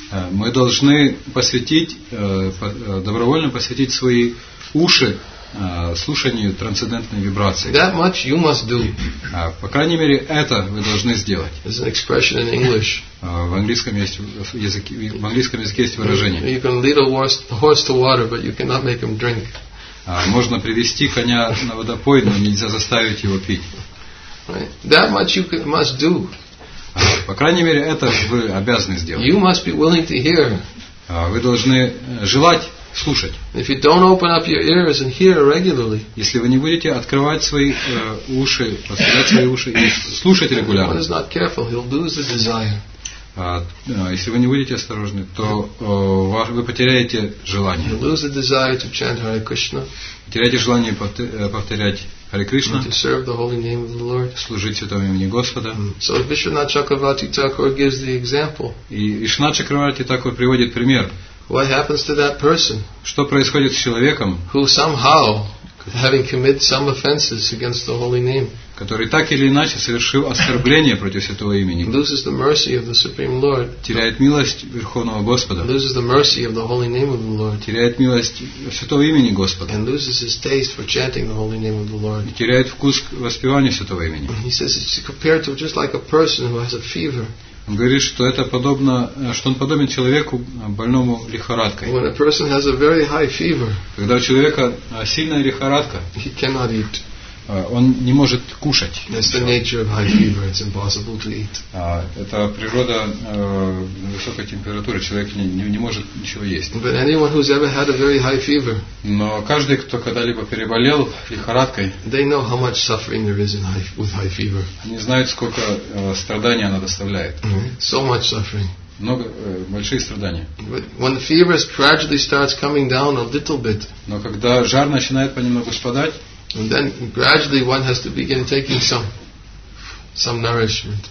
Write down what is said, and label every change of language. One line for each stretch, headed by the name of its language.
Russian: Мы должны добровольно посвятить свои уши слушанию трансцендентной вибрации.
English: That much you must do.
Russian: По крайней мере, это вы должны сделать.
English: It's an expression in English.
Russian: В английском языке есть выражение.
English: You can lead a horse to water, but you cannot make him drink.
Russian: Можно привести коня на водопой, но нельзя заставить его пить.
English: That much you must do.
Russian: По крайней мере, это вы обязаны сделать.
English: You must be willing to hear.
Russian: Вы должны желать слушать.
English: If you don't open up your ears and hear regularly,
Russian: если вы не будете открывать свои уши, поставлять свои уши и слушать регулярно,
English: he's not careful, he'll lose the desire.
Russian: Если вы не будете осторожны, то вы потеряете желание.
English: You'll lose the desire to chant Hare Krishna.
Russian: Потеряете желание повторять Hare Krishna,
English: to serve the holy name of the Lord.
Russian: Служить святому имени Господа.
English: So Vishwanath Chakravarti Thakur gives the example.
Russian: И Вишванат Чакраварти Такур приводит пример.
English: What happens to that person?
Russian: Что происходит с человеком?
English: Who somehow, having committed some offenses against the holy name,
Russian: который так или иначе совершил оскорбление против святого имени,
English: loses the mercy of the supreme Lord,
Russian: теряет милость верховного Господа,
English: loses the mercy of the holy name of the Lord,
Russian: теряет милость святого имени Господа,
English: and loses his taste for chanting the holy name of the Lord,
Russian: и теряет вкус воспевания святого имени.
English: He says it's compared to just like a person who has a fever.
Russian: Он говорит, что это подобно, что он подобен человеку, больному лихорадкой.
English: When a person has a very high fever,
Russian: когда у человека сильная лихорадка,
English: he cannot eat.
Russian: Он не может кушать.
English: That's the nature of high fever. It's impossible to eat.
Russian: Это природа высокой температуры. Человек не может ничего есть.
English: But anyone who's ever had a very high fever,
Russian: но каждый, кто когда-либо переболел лихорадкой,
English: they know how much suffering there is in high, with high fever.
Russian: Они знают, сколько страданий она доставляет.
English: So much suffering.
Russian: Много большие страдания.
English: But when the fever gradually starts coming down a little bit,
Russian: но когда жар начинает понемногу спадать,
English: and then gradually one has to begin taking some nourishment.